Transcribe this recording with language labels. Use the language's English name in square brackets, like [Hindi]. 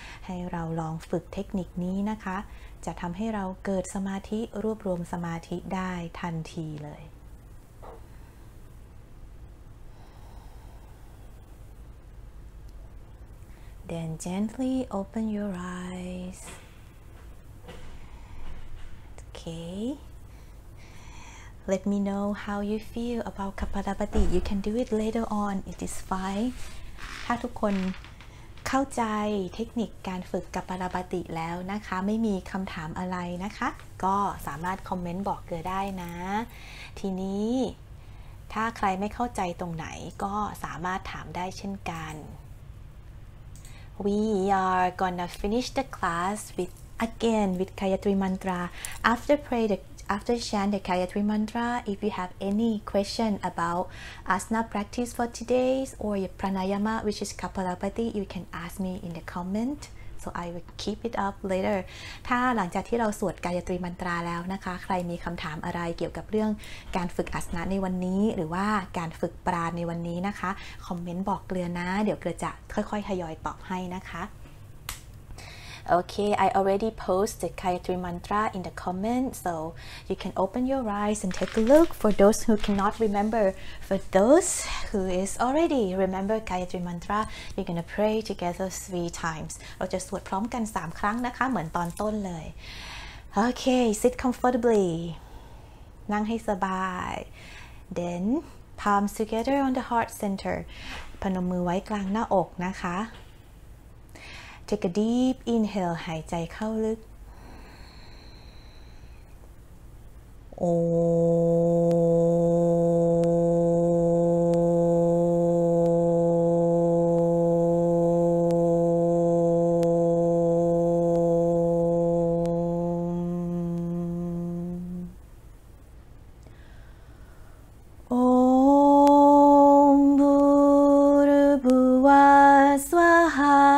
[Thai] ให้เราลองฝึกเทคนิคนี้นะคะจะทำให้เราเกิดสมาธิรวบรวมสมาธิได้ทันทีเลย [English] Then gently open your eyesOkay, Let me know how you feel about Kapalabhati. You can do it later on. It is fine. [Thai] ถ้าทุกคนเข้าใจเทคนิคการฝึกKapalabhatiแล้วนะคะไม่มีคำถามอะไรนะคะก็สามารถคอมเมนต์บอกเกือได้นะทีนี้ ถ้าใครไม่เข้าใจตรงไหนก็สามารถถามได้เช่นกัน [English] We are gonna finish the class with again with Gayatri Mantra after pray theAfter chant the Gayatri Mantra, if you have any question about asana practice for today or your pranayama, which is Kapalabhati, you can ask me in the comment. So I will keep it up later. [Thai] ถ้าหลังจากที่เราสวด Gayatri Mantra แล้วนะคะใครมีคำถามอะไรเกี่ยวกับเรื่องการฝึกอาสนะในวันนี้หรือว่าการฝึกปราณในวันนี้นะคะคอมเมนต์บอกเกลือนะเดี๋ยวเกลือจะค่อยๆทยอยตอบให้นะคะ [English] Okay, I already posted the Gayatri Mantra in the comment, so you can open your eyes and take a look for those who cannot remember. For those who is already remember Gayatri Mantra, you're gonna pray together 3 times. [Thai] เราจะสวดพร้อมกัน3 ครั้งนะคะเหมือนตอนต้นเลย [English] Okay, sit comfortably. [Thai] นั่งให้สบาย [English] Then, palms together on the heart center. [Thai] พนมมือไว้กลางหน้าอกนะคะ [English] Take a deep inhale, [Thai] หายใจเข้าลึก [Sanskrit] Om Bhurbhuva Swaha.